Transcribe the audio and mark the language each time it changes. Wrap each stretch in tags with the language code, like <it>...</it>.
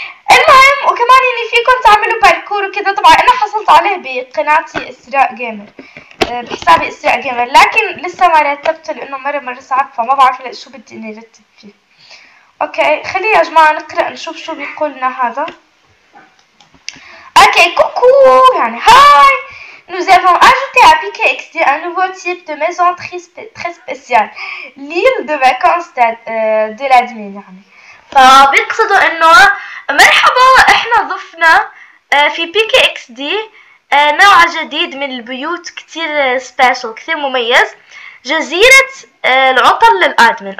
<ar>المهم وكمان يعني فيكم تعملوا باركور وكذا، طبعا انا حصلت عليه بقناتي اسراء جيمر بحسابي اسراء جيمر، لكن لسه ما رتبته لانه مرة صعب فما بعرف شو بدي اني ارتب فيه. اوكي خلي يا جماعة نقرا نشوف شو بيقولنا هذا. اوكي كوكو يعني هاي</ar> <fr>nous avons ajouté à PKXD un nouveau type de maison très spéciale l'île de vacances de l'admin يعني.</fr> <ar>فبيقصدوا انه مرحبا احنا ضفنا في PKXD نوع جديد من البيوت كتير سبيشال كتير مميز، جزيرة العطل للادمن.</ar>